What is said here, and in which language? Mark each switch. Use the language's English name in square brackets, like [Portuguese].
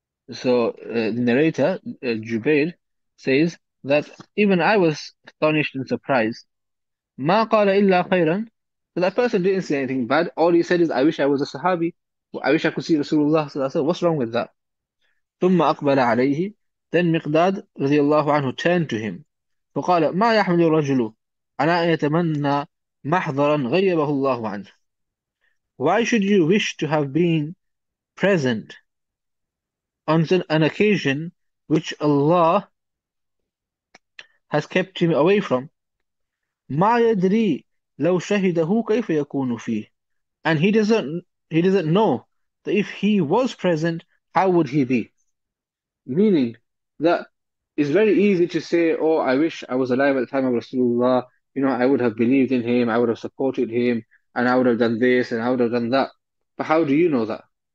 [English] So the narrator, Jubair, says that even I was astonished and surprised. [Arabic] مَا قَالَ إِلَّا خَيْرًا. [English] So that person didn't say anything bad. All he said is, I wish I was a Sahabi. I wish I could see Rasulullah. What's wrong with that? [Arabic] ثم أقبل عليه. [English] Then Miqdad رضي الله عنه turned to him. [Arabic] فقال ما يحمل الرجل على أن يتمنى محضرا غيبه الله عنه. [English] Why should you wish to have been present on an occasion which Allah has kept him away from? [Arabic] ما يدري لو شهده كيف يكون فيه. [English] And he doesn't know that if he was present, how would he be? Meaning that it's very easy to say, oh, I wish I was alive at the time of Rasulullah. I would have believed in him, I would have supported him, and I would have done this and I would have done that. But how do you know that?